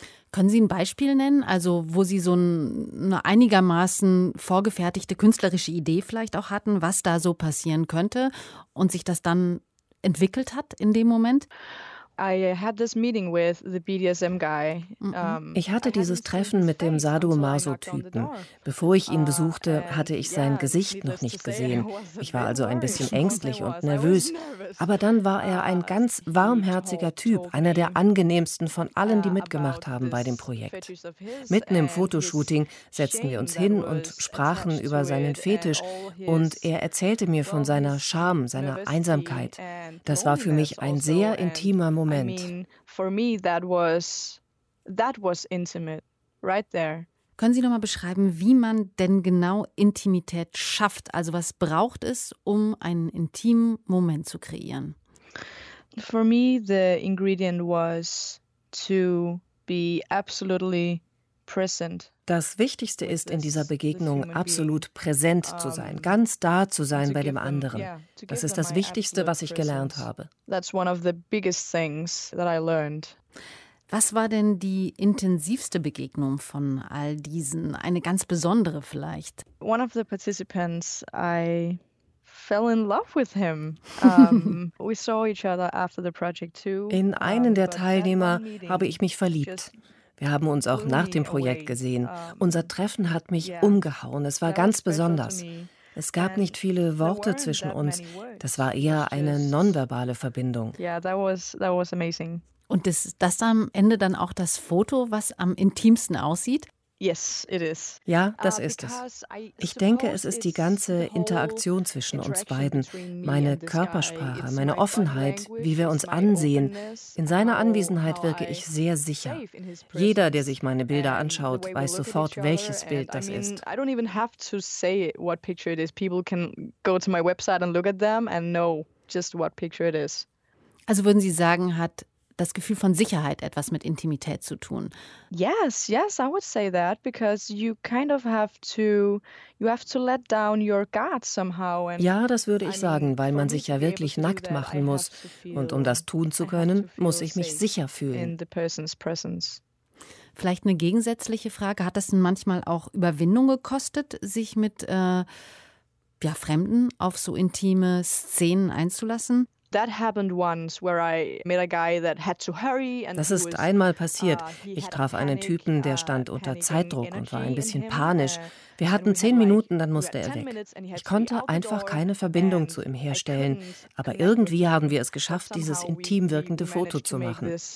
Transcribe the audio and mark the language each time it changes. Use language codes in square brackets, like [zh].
[de] Können Sie ein Beispiel nennen, also wo Sie so eine einigermaßen vorgefertigte künstlerische Idee vielleicht auch hatten, was da so passieren könnte und sich das dann entwickelt hat in dem Moment? [en] I had this meeting with the BDSM guy. [de] Ich hatte dieses Treffen mit dem Sadomaso-Typen. Bevor ich ihn besuchte, hatte ich sein Gesicht noch nicht gesehen. Ich war also ein bisschen ängstlich und nervös. Aber dann war er ein ganz warmherziger Typ, einer der angenehmsten von allen, die mitgemacht haben bei dem Projekt. Mitten im Fotoshooting setzten wir uns hin und sprachen über seinen Fetisch und er erzählte mir von seiner Scham, seiner Einsamkeit. Das war für mich ein sehr intimer Moment. [en] I mean, for me that was intimate right there. [de] Können Sie noch mal beschreiben, wie man denn genau Intimität schafft? Also was braucht es, um einen intimen Moment zu kreieren? [en] For me the ingredient was to be absolutely present. [de] Das Wichtigste ist, in dieser Begegnung absolut präsent zu sein, ganz da zu sein bei dem anderen. Das ist das Wichtigste, was ich gelernt habe. Was war denn die intensivste Begegnung von all diesen? Eine ganz besondere vielleicht? [en] One of the participants, I fell in love with him. We saw each other after the project too. [de] In einen der Teilnehmer habe ich mich verliebt. Wir haben uns auch nach dem Projekt gesehen. Unser Treffen hat mich umgehauen. Es war ganz besonders. Es gab nicht viele Worte zwischen uns. Das war eher eine nonverbale Verbindung. [en] Yeah, that was amazing. [de] Und ist das am Ende dann auch das Foto, was am intimsten aussieht? [en] Yes, it is. [de] Ja, das ist es. Ich denke, es ist die ganze Interaktion zwischen uns beiden. Meine Körpersprache, meine Offenheit, wie wir uns ansehen. In seiner Anwesenheit wirke ich sehr sicher. Jeder, der sich meine Bilder anschaut, weiß sofort, welches Bild das ist. [en] I don't even have to say what picture it is. People can go to my website and look at them and know just what picture it is. [de] Also würden Sie sagen, hat das Gefühl von Sicherheit etwas mit Intimität zu tun? [en] Yes, yes, I would say that, because you kind of have to let down your guard somehow. [de] And ja, das würde ich sagen, weil man sich ja wirklich nackt machen muss. Und um das tun zu können, muss ich mich sicher fühlen. [en] In the person's presence. [de] Vielleicht eine gegensätzliche Frage. Hat das denn manchmal auch Überwindung gekostet, sich mit Fremden auf so intime Szenen einzulassen? [en] That happened once where I met a guy that had to hurry and [de] das ist einmal passiert. Ich traf einen Typen, der stand unter Zeitdruck und war ein bisschen panisch. Wir hatten 10 Minuten, dann musste er weg. Ich konnte einfach keine Verbindung zu ihm herstellen, aber irgendwie haben wir es geschafft, dieses intim wirkende Foto zu machen.